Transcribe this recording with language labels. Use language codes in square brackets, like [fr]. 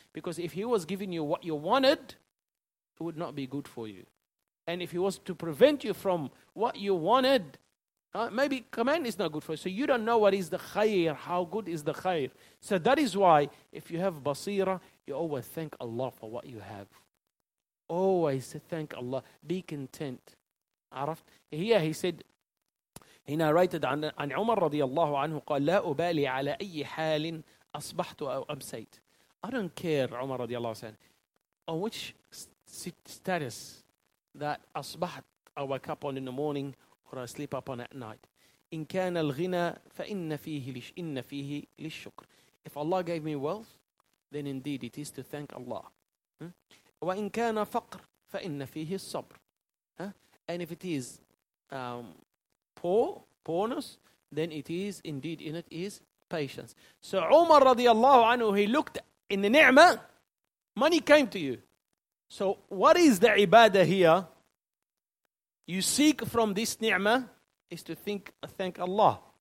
[en] Because if He was giving you what you wanted, it would not be good for you. And if He was to prevent you from what you wanted, maybe command is not good for you. So you don't know what is the khair, how good is the khair. So that is why if you have basira, you always thank Allah for what you have. Always thank Allah. Be content. Araf? Here he said, he narrated [ar] عن عمر رضي الله عنه قال لا أبالي على أي حال أصبحت أو أمسيت. [en] I don't care, Umar radiallahu anhu, on which status that أصبحت I wake up on in the morning or I sleep up on at night. [ar] إن كان الغنى فإن فيه لش إن فيه للشكر. [en] If Allah gave me wealth, then indeed it is to thank Allah. [ar] وإن كان فقر فإن فيه الصبر. [en] And if it is poorness, then it is indeed in it is patience. So Umar radiallahu anhu, he looked in the ni'mah, money came to you. So what is the ibadah here? You seek from this ni'mah is to thank Allah.